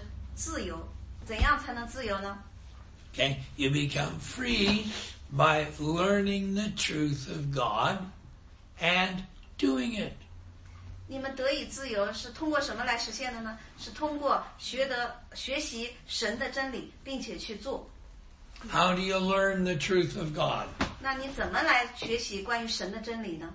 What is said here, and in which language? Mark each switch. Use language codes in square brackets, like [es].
[zh] 掩盖住了自己关于耶稣基督关于神的一切知识，就一点点罪，最后就成了罪的奴仆。而另外一个选项是自由，怎样才能自由呢？ [en] Okay, you become free by learning the truth of God and doing it. [zh] 你们得以自由是通过什么来实现的呢？是通过学习神的真理，并且去做。 [en] How do you learn the truth of God? [zh] 那你怎么来学习关于神的真理呢?